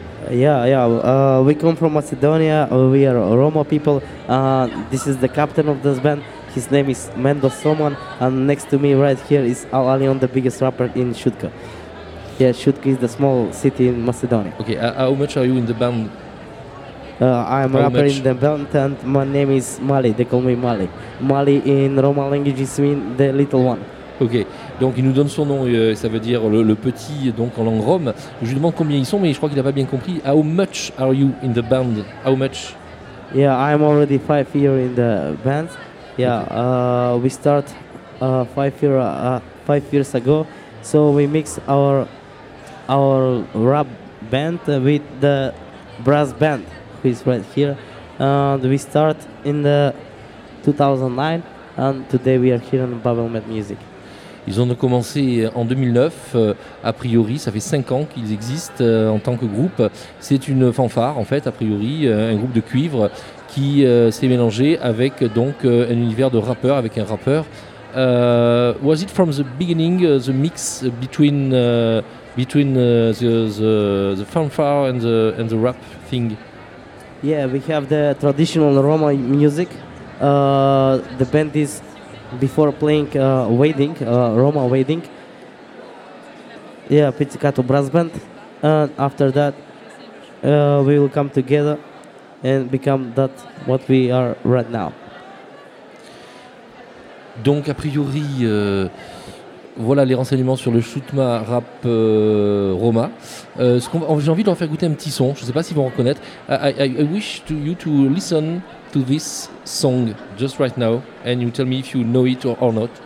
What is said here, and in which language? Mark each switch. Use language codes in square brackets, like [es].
[en] Yeah, we come from Macedonia, we are Roma people, this is the captain of this band, his name is Mendo Soman, and next to me right here is Al Alion, the biggest rapper in Shutka. Yeah, Shutka is the small city in Macedonia. Okay, how much are you in the band? I'm a rapper in the band and my name is Mali, they call me Mali. Mali in Roman language is mean the little one. [fr] Okay, donc il nous donne son nom, ça veut dire le petit, donc en langue rome. Je lui demande combien ils sont, mais je crois qu'il n'a pas bien compris. [en] How much are you in the band? How much? Yeah, I'm already 5 years in the band. Yeah, okay. We start 5 years ago, so we mix our rap band with the brass band who is right here and we start in the 2009 and today we are here on Babel Met Music. [fr] Ils ont commencé en 2009, a priori ça fait 5 ans qu'ils existent en tant que groupe. C'est une fanfare en fait, a priori un groupe de cuivre qui s'est mélangé avec donc un univers de rappeur avec un rappeur. [en] Was it from the beginning the mix between the fanfare and the rap thing? Yeah, we have the traditional Roma music. The band is before playing Roma wedding. Yeah, pizzicato brass band. And after that, we will come together and become that what we are right now. [fr] Donc a priori, voilà les renseignements sur le Shootma Rap Roma. J'ai envie de leur faire goûter un petit son. Je ne sais pas s'ils vont reconnaître. [en] I wish to you to listen to this song just right now, and you tell me if you know it or not.